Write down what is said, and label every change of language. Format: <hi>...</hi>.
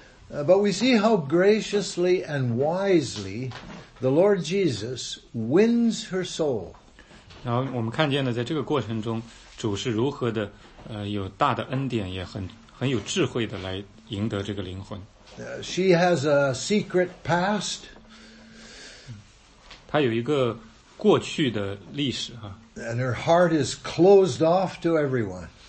<en>But we see how graciously and wisely the Lord Jesus wins her soul.</en> <zh>然后我们看见呢，在这个过程中，主是如何的，有大的恩典，也很有智慧的来赢得这个灵魂。</zh> <en>She has a secret past.</en> <zh>她有一个过去的历史啊。</zh> <en>And her heart is closed off to everyone.</en>